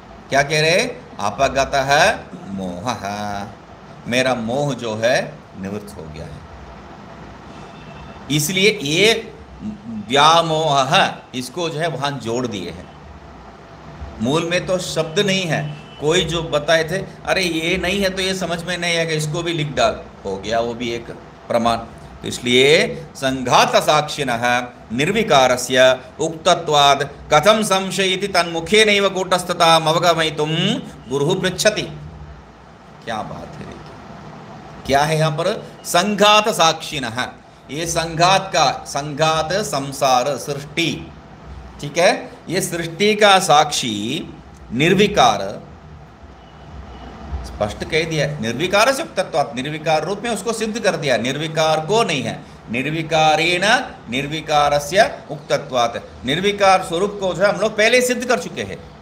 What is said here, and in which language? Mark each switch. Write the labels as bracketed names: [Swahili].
[Hindi] क्या कह रहे, [Sanskrit] अपगतः मोहः, [Hindi] मेरा मोह जो है निवृत्त हो गया है, इसलिए ये व्यामोह इसको जो है वहां जोड़ दिए हैं। मूल में तो शब्द नहीं है, कोई जो बताए थे अरे ये नहीं है तो ये समझ में नहीं आएगा, इसको भी लिख डाल, हो गया वो भी एक प्रमाण। [Sanskrit] इसलिए संघात साक्षिणः निर्विकारस्य उक्तत्वाद् कथम संशय इति तन्मुखे नैव कूटस्थताम् अवगमयितुम् गुरुः पृच्छति। [Hindi] क्या बात है, क्या है यहाँ पर, संघात साक्षिणः, ये संघात का, संघात संसार सृष्टि, ठीक है, ये सृष्टि का साक्षी निर्विकार, स्पष्ट कह दिया निर्विकार से उक्तत्व, निर्विकार रूप में उसको सिद्ध कर दिया, निर्विकार को नहीं है, [Sanskrit] निर्विकारेण निर्विकारस्य उक्तत्वात्, [Hindi] निर्विकार स्वरूप को जो है हम लोग पहले सिद्ध कर चुके हैं।